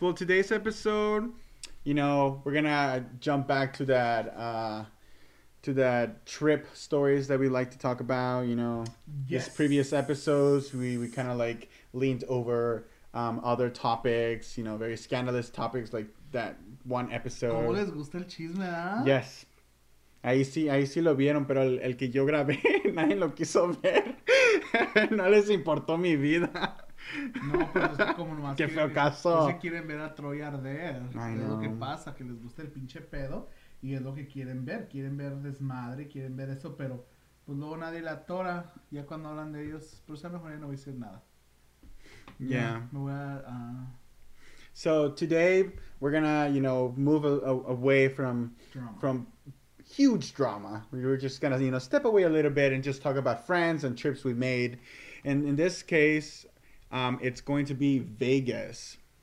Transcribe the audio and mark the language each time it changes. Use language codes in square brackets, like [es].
[en] Well, today's episode, you know, we're going to jump back to that trip stories that we like to talk about, you know. Yes. These previous episodes, we kind of like leaned over other topics, you know, very scandalous topics like that one episode. [es] ¿Cómo les gusta el chisme, ah? [en] Yes. [es] Ahí sí lo vieron, pero el que yo grabé, nadie lo quiso ver. No les importó mi vida. No, pero es que como nomás que se quieren ver a Troy arder. Es lo que pasa, que les gusta el pinche pedo y es lo que quieren ver. Quieren ver desmadre, quieren ver eso, pero pues luego nadie la atora. Ya cuando hablan de ellos, pero sea mejor ya no voy a decir nada. [en] Yeah. Yeah. So today we're gonna, you know, move away from drama. From huge drama. We were just gonna, you know, step away a little bit and just talk about friends and trips we made. And in this case, it's going to be Vegas.